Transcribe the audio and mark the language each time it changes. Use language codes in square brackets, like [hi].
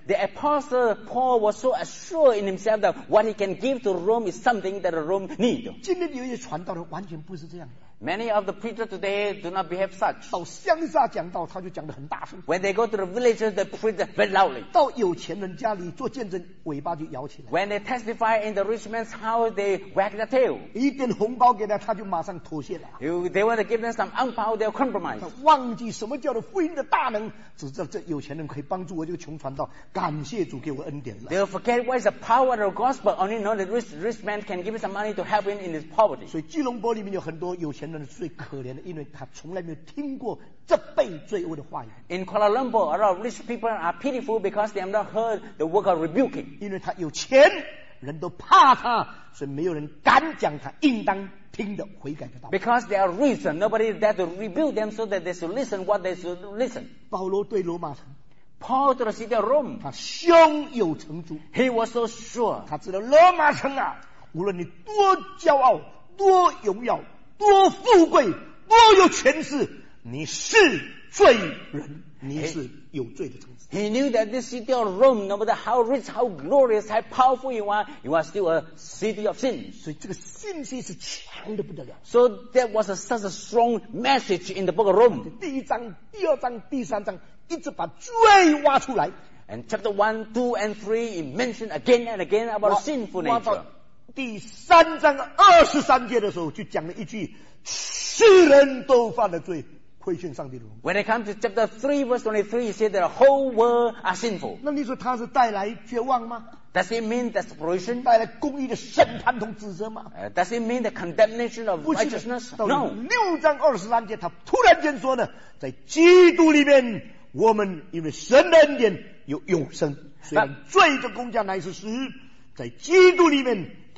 [en] The apostle Paul was so assured in himself that what he can give to Rome is something that Rome needs. [zh] 今天有些传道人完全不是这样的。 [en] Many of the preachers today do not behave such. [zh] 到乡下讲道，他就讲得很大声。 [en] When they go to the villages, they preach very loudly. [zh] 到有钱人家里做见证，尾巴就摇起来。 [en] When they testify in the rich man's house, they wag their tail. [zh] 一点红包给他，他就马上妥协了。 [en] If they want to give them some angpao, they'll compromise. [zh] 他忘记什么叫做福音的大能，只知道这有钱人可以帮助我这个穷传道，感谢主给我恩典了。 [en] They'll forget what is the power of the gospel, only know that rich man can give some money to help him in his poverty. [zh] 所以基隆坡里面有很多有钱人。最可怜的，因为他从来没有听过责备罪恶的话语。 [en] In Kuala Lumpur, a lot of rich people are pitiful because they have not heard the word of rebuking. [zh] 因为他有钱，人都怕他，所以没有人敢讲他应当听的悔改的道。 [en] Because they are rich, nobody dare to rebuke them so that they should listen what they should listen. [zh] 保罗对罗马城。 [en] Paul to the city of Rome. [zh] 他胸有成竹。 [en] He was so sure. [zh] 他知道罗马城啊，无论你多骄傲，多荣耀。多富贵，多有权势，你是罪人，你是有罪的城市。 [en] He knew that this city of Rome, no matter how rich, how glorious, how powerful you are still a city of sin. [zh] 所以这个信息是强的不得了。 [en] So that was such a strong message in the book of Rome. [zh] 第一章、第二章、第三章，一直把罪挖出来。 [en] And chapter 1, 2, and 3, it mentioned again and again about sinful nature. [zh] 第三章二十三节的时候，就讲了一句：世人都犯了罪，亏欠上帝的荣耀。 [en] When it comes to chapter 3, verse 23, he said that the whole world are sinful. [zh] 那你说他是带来绝望吗？ [en] Does it mean desperation? [zh] 带来公义的审判同指责吗？ [en] Does it mean the condemnation of righteousness? No. [zh] 六章二十三节，他突然间说呢，在基督里面，我们因为神的恩典有永生。虽然罪的工价乃是死，在基督里面。